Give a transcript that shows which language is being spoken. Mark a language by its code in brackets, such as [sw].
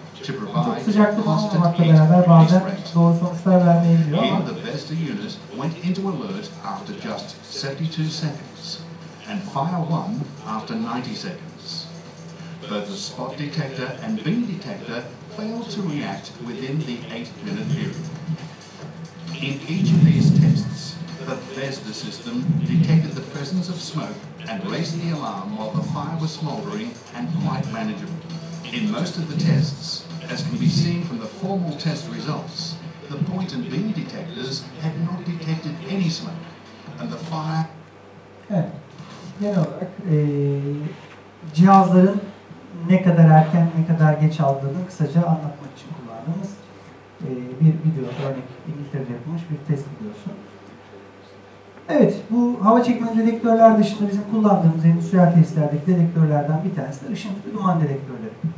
[tr] Çok sıcak duman olmakla beraber bazen doğru sonuçlar vermeyebiliyor ama. [en] Both the spot detector and beam detector failed to react within the 8-minute period. In each of these tests, the Bessner system detected the presence of smoke and raised the alarm while the fire was smoldering and quite manageable. In most of the tests, as can be seen from the formal test results, the point and beam detectors had not detected any smoke, and the fire... [tr] Genel olarak cihazların ne kadar erken, ne kadar geç aldığını kısaca anlatmak için kullandığımız bir video, örnek İngiltere'de yapılmış bir test videosu. Evet, bu hava çekme dedektörler dışında bizim kullandığımız endüstriyel testlerdeki dedektörlerden bir tanesi de ışın tıpı duman dedektörleri.